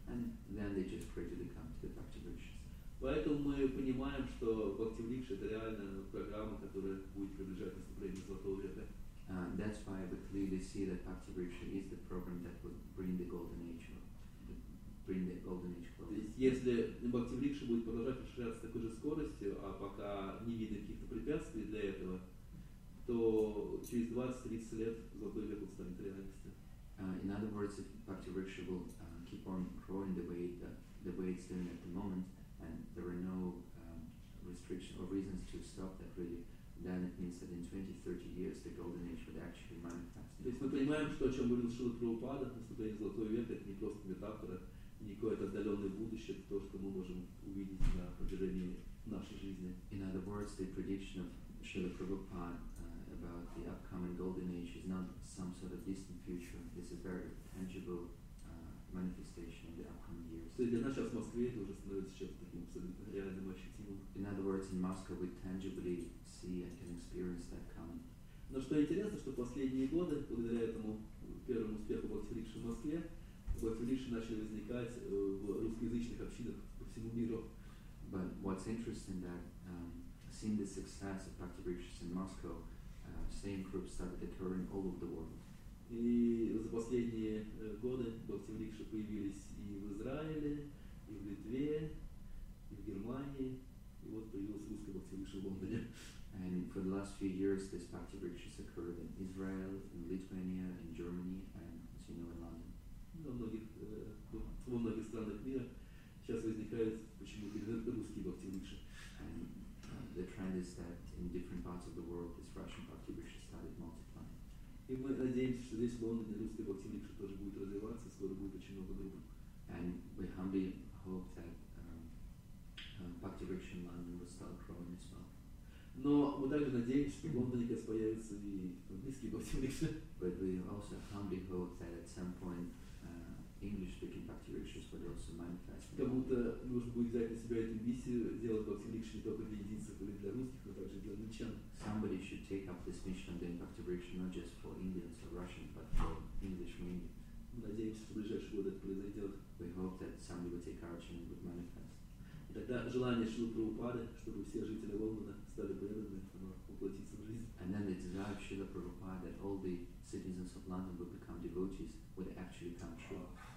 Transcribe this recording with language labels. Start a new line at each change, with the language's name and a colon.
English: And then they just gradually come to the Bhakti lectures.
Russian: Поэтому мы понимаем, что Bhakti lectures это реально программа, которая будет приближать наступление Золотого века.
English: That's why we clearly see that Bhakti Vriksha is the program that will bring the golden age. Bring the golden age closer.
Russian: Если Bhakti Vriksha будет продолжать расширяться такой же скоростью, а пока не видно каких-то препятствий для этого, то через 20-30 лет Золотой век будет станет реальностью.
English: In other words, if Bhakti Vriksha will keep on growing the way it's doing at the moment, and there are no restrictions or reasons to stop that really. Then it means that in 20-30 years the golden age would actually manifest.
Russian: То есть мы понимаем, что о чем говорил Шрила Прабхупада, наступление Золотого века это не просто метафора, не какое-то отдаленное будущее, это то, что мы можем увидеть на протяжении нашей жизни.
English: In other words, the prediction of Шрила Прабхупада about the upcoming golden age is not some sort of distant future. It's a very tangible manifestation in the upcoming years.
Russian: То есть для нас сейчас в Москве это уже становится сейчас таким абсолютно реальным ощутимым.
English: In other words, in Moscow we tangibly see and can experience that coming.
Russian: Но что интересно, что последние годы, благодаря этому первому успеху Bhakti Vriksha в Москве, Bhakti Vriksha начали возникать в русскоязычных общинах по всему миру.
English: But what's interesting that seeing the success of Bhakti Vriksha in Moscow, same groups started occurring all over the world.
Russian: И за последние годы Bhakti Vriksha появились и в Израиле, и в Литве, и в Германии. И вот появился русский Bhakti Vriksha в Лондоне.
English: And for the last few years, this Bhakti Vriksha has occurred in Israel, in Lithuania, in Germany, and as you know, in London.
Russian: Во многих странах мира сейчас возникает почему-то русский Bhakti Vriksha.
English: And the trend is that in different parts of the world, this Russian Bhakti Vriksha started multiplying.
Russian: И мы надеемся, что здесь в Лондоне русский Bhakti Vriksha тоже будет развиваться, скоро будет очень много групп.
English: And we humbly hope that Bhakti Vriksha in London will start growing as well.
Russian: Но мы также надеемся, что в Лондоне как появится и английский Bhakti Vriksha.
English: But we also humbly hope that at some point English-speaking Bhakti Vrikshas will also manifest.
Russian: Как будто нужно будет взять на себя эту миссию, сделать Bhakti Vriksha не только для индийцев или для русских, но также для англичан.
English: Somebody should take up this mission and then Bhakti Vriksha not just for Indians or Russians, but for English mainly.
Russian: Мы надеемся, что в ближайшие годы это произойдет.
English: We hope that somebody will take action and would manifest.
Russian: И тогда желание Шрилы Прабхупады, чтобы все жители Лондона стали преданными, оно воплотится в жизнь.
English: And then the desire of Шрилы Прабхупады that all the citizens of London would become devotees would actually come true.